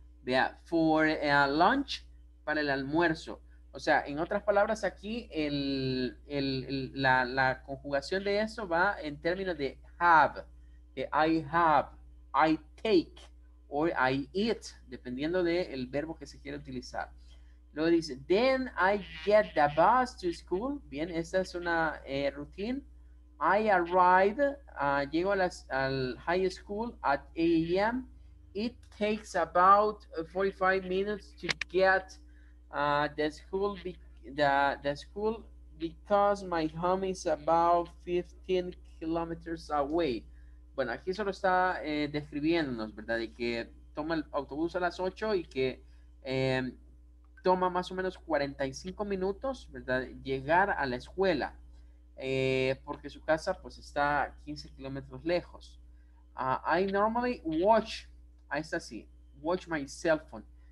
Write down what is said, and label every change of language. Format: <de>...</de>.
<es>Vea, for lunch, para el almuerzo. O sea, en otras palabras, aquí la conjugación de eso va en términos de have, de I have, I take, or I eat, dependiendo del verbo que se quiera utilizar.</es> <en>Luego dice, then I get the bus to school.</en> <es>Bien, esta es una routine. I arrived, llego al high school at 8 a.m.</es> <en>It takes about 45 minutes to get the school because my home is about 15 kilometers away.</en> <es>Bueno, aquí solo está describiéndonos, ¿verdad? De que toma el autobús a las 8 y que toma más o menos 45 minutos, ¿verdad? Llegar a la escuela. Porque su casa pues está 15 kilómetros lejos.</es> <en>I normally watch, ahí está así, watch my cell phone.</en>